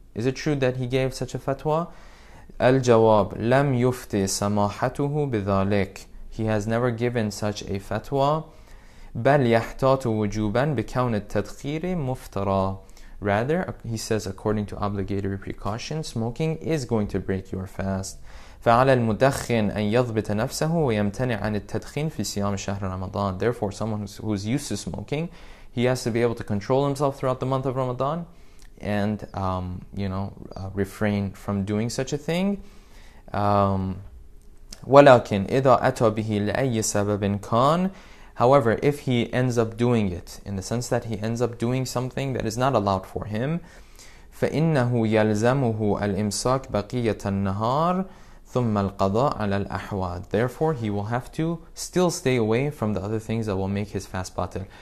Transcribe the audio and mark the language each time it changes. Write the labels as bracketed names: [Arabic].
[English] Is it true that he gave such a fatwa? [Arabic] Al-jawab, lam yufti samahatuhu bidhalik. [English] He has never given such a fatwa. [Arabic] Bal yahtatu wujuban bikawn at-tadkhiri muftara. [English] Rather, he says, according to obligatory precaution, smoking is going to break your fast. [Arabic] فعلى المدخن أن يضبط نفسه ويمتنع عن التدخين في صيام شهر رمضان. [English] Therefore, someone who's used to smoking, he has to be able to control himself throughout the month of Ramadan, and refrain from doing such a thing. [Arabic] ولكن إذا أتى به لأي سبب كان. [English] However, if he ends up doing it, in the sense that he ends up doing something that is not allowed for him, [Arabic] فَإِنَّهُ يَلْزَمُهُ الْإِمْسَاكُ بَقِيَّةَ النَّهَارِ ثُمَّ الْقَضَاءُ عَلَى الْأَحْوَادِ. [English] Therefore, he will have to still stay away from the other things that will make his fast batil.